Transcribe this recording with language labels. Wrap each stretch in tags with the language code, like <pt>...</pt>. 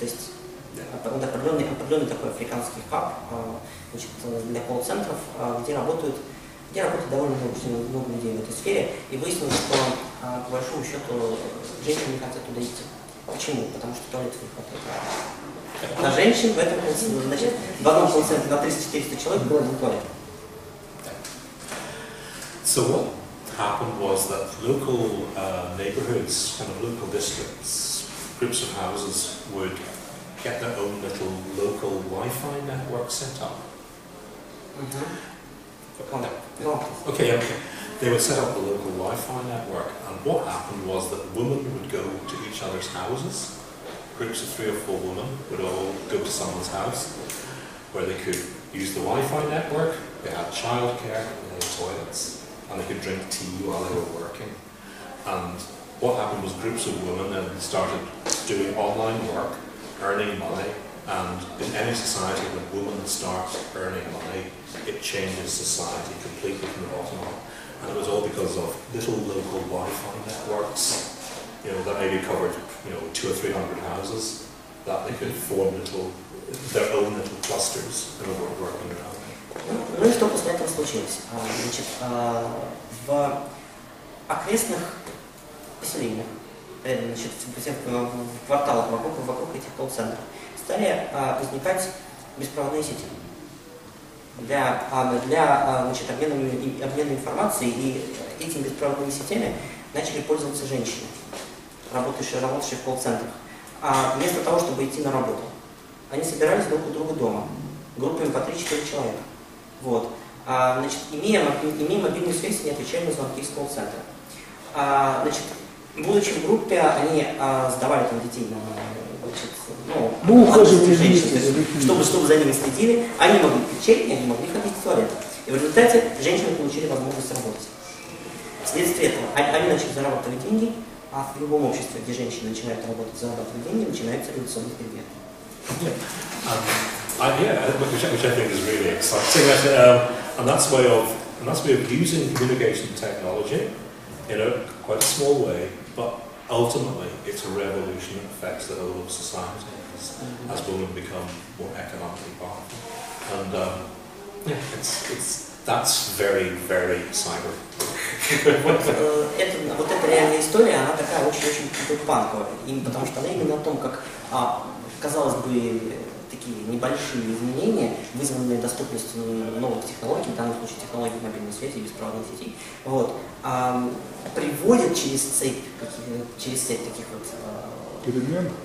<ru>То есть определенный такой африканский хаб для колл-центров, где работают довольно много людей в этой сфере, и выяснилось, что, по большому счету, женщины не хотят туда идти. Почему? Потому что туалетов не хватает. На женщин в этом полуцентре, значит, в одном полуцентре на 300-400 человек был один туалет.</ru> <en>So what happened was that local neighborhoods, kind of local districts, groups of houses would get their own little local Wi-Fi network set up. They would set up a local Wi-Fi network, and what happened was that women would go to each other's houses. Groups of three or four women would all go to someone's house where they could use the Wi-Fi network, they had childcare, they had toilets, and they could drink tea while they were working. And what happened was groups of women then started doing online work, earning money, and in any society when women start earning money, it changes society completely from the bottom up. And it was all because of little local Wi-Fi networks, you know, that maybe covered, you know, 200 or 300 houses, that they could form little, their own little clusters and were working around.</en> <ru>Ну и что после этого случилось? Значит, в окрестных поселениях, значит, в кварталах вокруг этих колл-центров стали возникать беспроводные сети для обмена информацией, и этими беспроводными сетями начали пользоваться женщины, работающие в колл-центрах. А вместо того, чтобы идти на работу, они собирались друг у друга дома, группами по 3-4 человека. Вот. Имея мобильную связь, они отвечали на звонки из колл-центра. Будучи в группе, они сдавали там детей на чтобы за ними следили. Они могли пить чай, они могли ходить в туалет. И в результате женщины получили возможность работать. Вследствие этого они начали зарабатывать деньги, а в любом обществе, где женщины начинают работать, зарабатывать деньги, начинаются революционные перемены.</ru> <en>Which I think is really exciting, and that's a way of using communication technology in a quite a small way, but ultimately it's a revolution that affects the whole of society as women become more economically powerful, and it's that's very very cyber.</en> <ru>Вот эта реальная история, она такая очень панковая, потому что она именно о том, как казалось бы, такие небольшие изменения, вызванные доступностью новых технологий, в данном случае технологий мобильной связи и беспроводных сетей, вот, приводят через сеть таких вот</ru>